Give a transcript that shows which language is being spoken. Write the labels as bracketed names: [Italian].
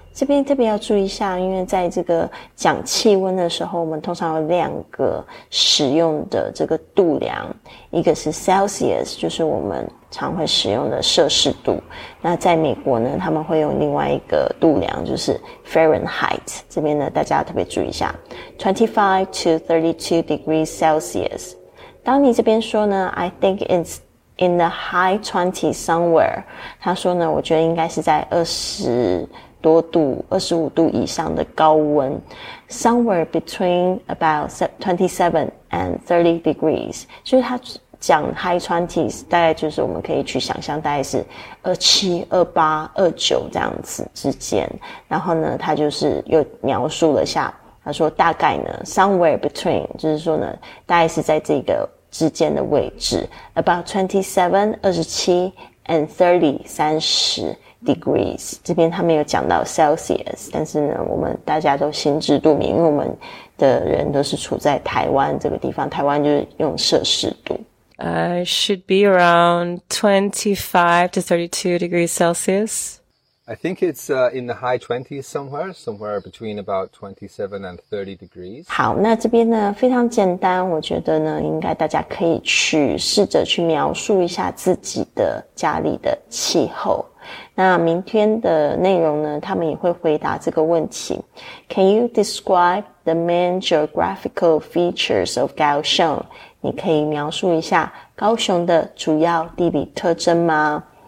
[Chinese] 这边特别要注意一下，因为在这个讲气温的时候，我们通常有两个使用的这个度量，一个是 Celsius， 就是我们常会使用的摄氏度。那在美国呢，他们会用另外一个度量，就是 Fahrenheit。这边呢，大家要特别注意一下， [English] 25 to 32 degrees Celsius。 [Chinese] 当你这边说呢 [English] ，I think it's in the high 20 somewhere。 [Chinese] 他说呢，我觉得应该是在20多度25度以上的高温， [English] somewhere between about 27 and 30 degrees. [Chinese] 就是他讲 high 20s, 大概就是我们可以去想象大概是27、28、29这样子之间。然后呢他就是又描述了下，他说大概呢 somewhere between, 就是说呢大概是在这个之间的位置， [English] about 27 and 30 degrees. [Chinese] 这边他没有讲到 Celsius， 但是呢我们大家都心知肚明，因为我们的人都是处在台湾这个地方，台湾就是用摄氏度。 [English] Should be around 25 to 32 degrees Celsius. I think it's in the high 20s somewhere between about 27 and 30 degrees. [Chinese] 好，那这边呢非常简单，我觉得呢应该大家可以去试着去描述一下自己的家里的气候。那明天的内容呢他们也会回答这个问题。 [English] Can you describe the main geographical features of [Chinese] 高雄？你可以描述一下高雄的主要地理特征吗？